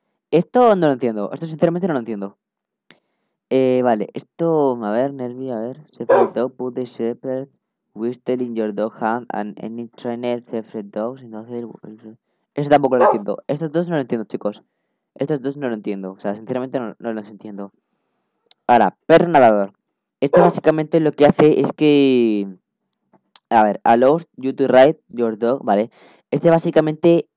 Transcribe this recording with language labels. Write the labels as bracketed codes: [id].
[es] Esto no lo entiendo, esto sinceramente no lo entiendo. Vale, esto, a ver, Nervi, a ver. [en] Separate dog, put the shepherd, whistle in your dog hand and any trained separate dogs, [es] entonces. Eso tampoco lo entiendo, estos dos no lo entiendo, chicos. Estos dos no lo entiendo, o sea, sinceramente no los entiendo. Ahora, perro nadador. Esto básicamente lo que hace es que. A ver, [en] allows you to ride your dog, [es] ¿vale? Este básicamente.